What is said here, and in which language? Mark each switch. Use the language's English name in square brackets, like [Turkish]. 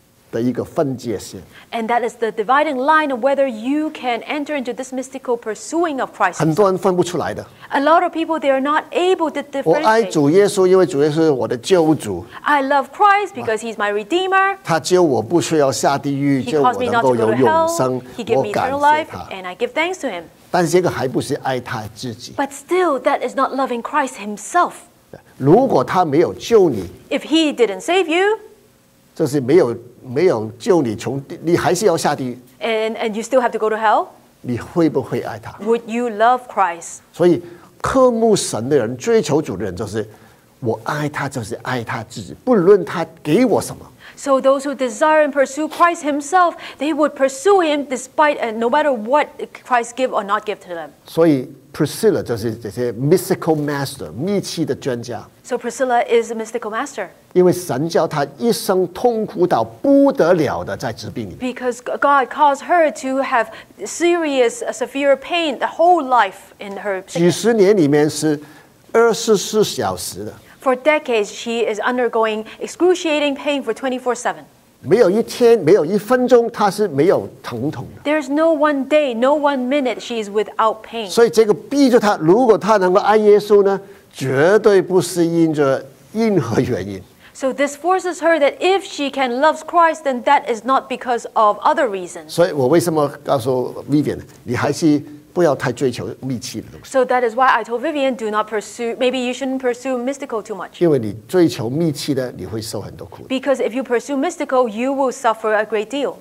[Chinese] 的一个分界线 [English] and that is the dividing line of whether you can enter into this mystical pursuing of Christ. [Chinese] 很多人分不出来的 [English] A lot of people they are not able to differentiate. [Chinese] 我爱主耶稣，因为主耶稣是我的救主。 [English] I love Christ because He's my Redeemer. [Chinese] 他救我不需要下地狱，救我能够有永生。 [English] He gave me eternal life, and I give thanks to Him. [Chinese] 但是这个还不是爱他自己。 [English] But still, that is not loving Christ Himself. [Chinese] 如果他没有救你 [English] ，If He didn't save you, [Chinese] 就是没有。没有救你从你还是要下地狱 [English] and you still have to go to hell [Chinese] 你会不会爱他 [English] would you love Christ [Chinese] 所以渴慕神的人追求主的人就是我爱他就是爱他自己不论他给我什么 [English] so those who desire and pursue Christ himself they would pursue him despite no matter what Christ give or not give to them [Chinese] 所以 Priscilla 就是这些 [English] mystical master [Chinese] 密契的专家 [English] So Priscilla is a mystical master. [Chinese] 因为神叫她一生痛苦到不得了的在疾病里。 [English] Because God caused her to have serious, severe pain the whole life in her. [Chinese] 几十年里面是二十四小时的。 [English] For decades, she is undergoing excruciating pain for 24/7. [Chinese] 没有一天，没有一分钟，她是没有疼痛的。 [English] There's no one day, no one minute she is without pain. [Chinese] 所以这个逼着她，如果她能够爱耶稣呢？绝对不是因着任何原因。 [English] So this forces her that if she can love Christ, then that is not because of other reasons. [Chinese] 所以我为什么告诉 Vivian， 你还是不要太追求密契的东西。 [English] So that is why I told Vivian, do not pursue. Maybe you shouldn't pursue mystical too much. [Chinese] 因为你追求密契的，你会受很多苦。 [English] Because if you pursue mystical, you will suffer a great deal.